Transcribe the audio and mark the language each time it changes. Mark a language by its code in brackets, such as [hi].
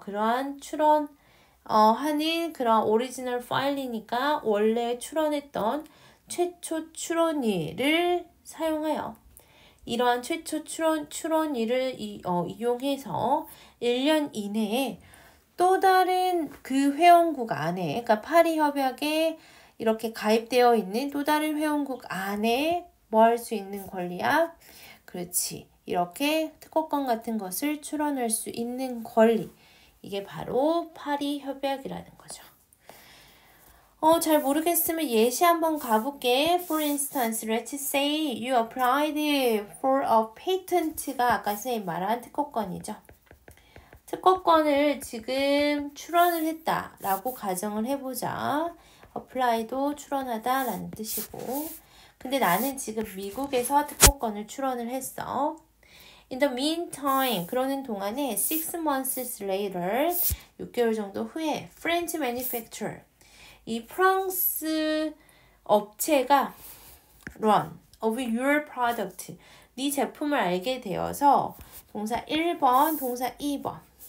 [ko] 그러한 출원, 하는 그런 오리지널 파일이니까 원래 출원했던 최초 출원일을 사용하여 이러한 최초 출원일을 이용해서 1년 이내에 또 다른 그 회원국 안에, 그러니까 파리 협약에 이렇게 가입되어 있는 또 다른 회원국 안에 뭐할수 있는 권리야? 그렇지. 이렇게 특허권 같은 것을 출원할 수 있는 권리. 이게 바로 파리 협약이라는 거죠. 잘 모르겠으면 예시 한번 가볼게. [en] For instance, let's say you applied for a patent가 [ko] 아까 선생님 말한 특허권이죠. 특허권을 지금 출원을 했다라고 가정을 해보자. Apply도 출원하다라는 뜻이고. 근데 나는 지금 미국에서 특허권을 출원을 했어. [en] In the meantime, [ko] 그러는 동안에 [en] 6 months later, [ko] 6개월 정도 후에 French manufacturer, 이 프랑스 업체가 [en] run of your product, [ko] 네 제품을 알게 되어서 동사 1번, 동사 2번.